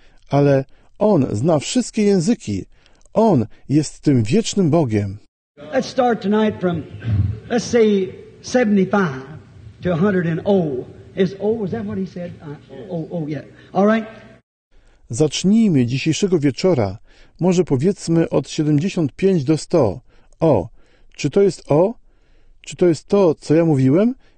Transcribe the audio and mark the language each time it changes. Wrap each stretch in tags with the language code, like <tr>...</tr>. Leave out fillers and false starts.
<pl>Ale On zna wszystkie języki. On jest tym wiecznym Bogiem.</pl> <en>Let's start tonight from, let's say, 75 to 100 and O. Is that what he said? Yeah. All right.</en> <pl>Zacznijmy dzisiejszego wieczora, może powiedzmy od 75 do 100. O, czy to jest O? Czy to jest to, co ja mówiłem?</pl>